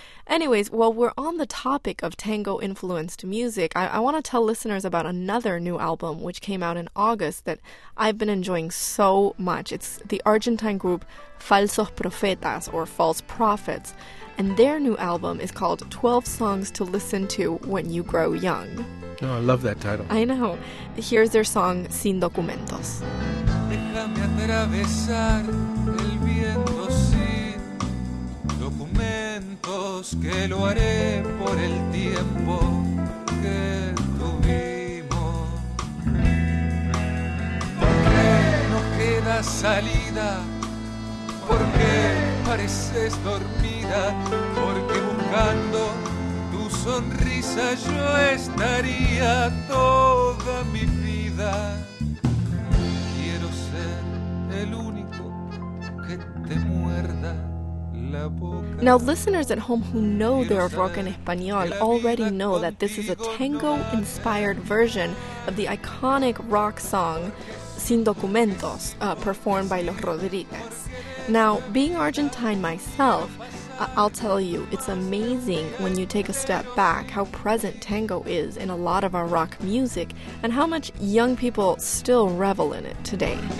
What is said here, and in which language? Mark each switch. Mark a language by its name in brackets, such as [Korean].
[English] Anyways, while we're on the topic of tango-influenced music, I want to tell listeners about another new album which came out in August that I've been enjoying so much. It's the Argentine group Falsos Profetas, or False Prophets, and their new album is called 12 Songs to Listen to When You Grow Young. Oh, I love that title. I know. Here's their song, Sin Documentos. [Spanish] Déjame atravesar el viento sin documentos, que lo haré por el tiempo que tuvimos. ¿Por qué no queda salida? ¿Por qué pareces dormida? Porque buscando tu sonrisa yo estaría toda mi vida. Quiero ser el único que te muerda. [English] Now, listeners at home who know their rock en español already know that this is a tango-inspired version of the iconic rock song Sin Documentos, performed by Los Rodríguez. Now, being Argentine myself, I'll tell you, it's amazing when you take a step back how present tango is in a lot of our rock music and how much young people still revel in it today.